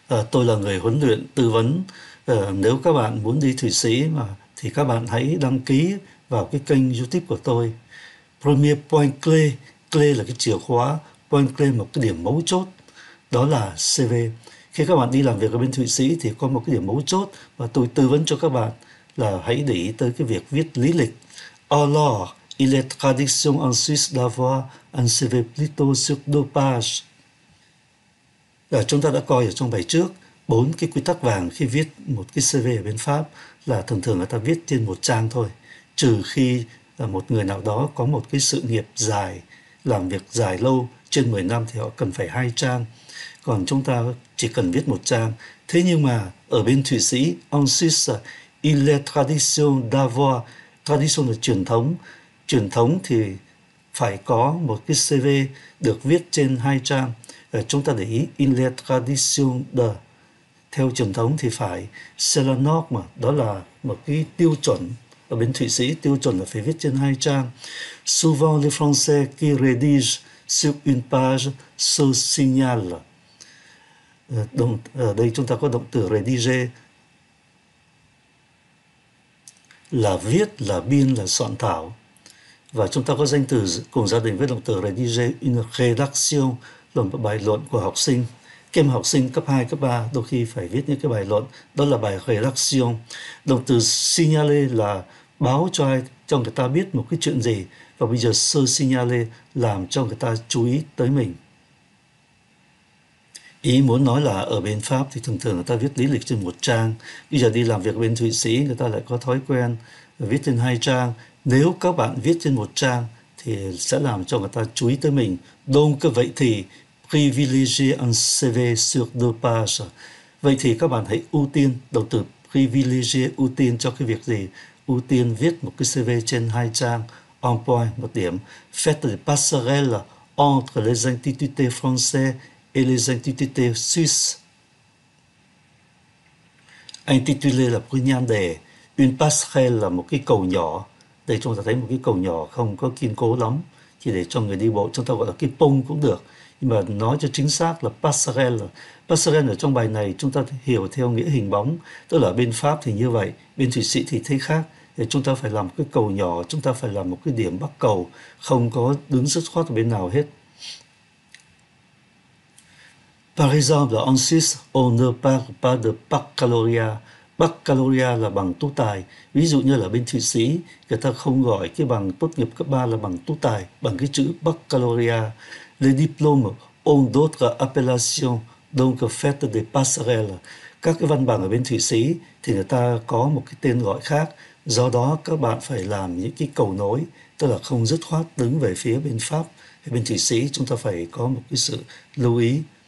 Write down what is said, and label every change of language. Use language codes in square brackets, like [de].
[vi] Tôi là người huấn luyện tư vấn. Nếu các bạn muốn đi Thụy Sĩ mà thì các bạn hãy đăng ký vào cái kênh YouTube của tôi. [fr] Premier point clé, [vi] clé là cái chìa khóa. Point clé, một cái điểm mấu chốt, đó là CV. Khi các bạn đi làm việc ở bên Thụy Sĩ thì có một cái điểm mấu chốt mà tôi tư vấn cho các bạn là hãy để ý tới cái việc viết lý lịch. [fr] Alors, il est tradition en Suisse d'avoir un CV plutôt sur deux pages. [vi] Là chúng ta đã coi ở trong bài trước, bốn cái quy tắc vàng khi viết một cái CV ở bên Pháp là thường thường người ta viết trên một trang thôi, trừ khi là một người nào đó có một cái sự nghiệp dài, làm việc dài lâu, trên 10 năm thì họ cần phải hai trang, còn chúng ta chỉ cần viết một trang. Thế nhưng mà ở bên Thụy Sĩ, [fr] en Suisse, il est tradition d'avoir, [vi] tradition là truyền thống thì phải có một cái CV được viết trên hai trang. Chúng ta để ý, in la tradition de, theo truyền thống thì phải [fr] c'est la norme [vi] mà, đó là một cái tiêu chuẩn. Ở bên Thụy Sĩ, tiêu chuẩn là phải viết trên hai trang. [fr] Souvent les Français qui rédigent sur une page se signalent. [vi] Ở đây chúng ta có động từ rédiger, là viết, là biên, là soạn thảo. Và chúng ta có danh từ cùng gia đình với động từ rédiger, une rédaction, là một bài luận của học sinh. Kem học sinh cấp 2, cấp 3 đôi khi phải viết những cái bài luận, đó là bài rédaction. Động từ signaler là báo cho ai, cho người ta biết một cái chuyện gì. Và bây giờ se signaler, làm cho người ta chú ý tới mình. Ý muốn nói là ở bên Pháp thì thường thường người ta viết lý lịch trên một trang. Bây giờ đi làm việc bên Thụy Sĩ, người ta lại có thói quen viết trên hai trang. Nếu các bạn viết trên một trang thì sẽ làm cho người ta chú ý tới mình. [fr] Donc [vi] vậy thì [fr] privilégier un CV sur deux pages. [vi] Vậy thì các bạn hãy ưu tiên, động từ privilégier ưu tiên cho cái việc gì? Ưu tiên viết một cái CV trên hai trang, en point, một điểm. [fr] Faites des passerelles entre les institutés français et les institutés suisses. [vi] Intitulé là cái nhan đề, une passerelle là một cái cầu nhỏ. Đây chúng ta thấy một cái cầu nhỏ không có kiên cố lắm, chỉ để cho người đi bộ, chúng ta gọi là cái pont cũng được. Nhưng mà nói cho chính xác là passerelle. Passerelle ở trong bài này chúng ta hiểu theo nghĩa hình bóng, tức là bên Pháp thì như vậy, bên Thụy Sĩ thì thấy khác. Thì chúng ta phải làm cái cầu nhỏ, chúng ta phải làm một cái điểm bắc cầu, không có đứng dứt khoát ở bên nào hết. [fr] Par exemple, en Suisse, on ne parle pas de baccalauréat. [vi] Baccalauréat là bằng tú tài. Ví dụ như là bên Thụy Sĩ, người ta không gọi cái bằng tốt nghiệp cấp 3 là bằng tú tài, bằng cái chữ baccalauréat. [fr] Les diplômes ont d'autres appellations, donc faites des passerelles. [vi] Các cái văn bằng ở bên Thụy Sĩ thì người ta có một cái tên gọi khác, do đó các bạn phải làm những cái cầu nối, tức là không dứt khoát đứng về phía bên Pháp hay bên Thụy Sĩ, chúng ta phải có một cái sự lưu ý.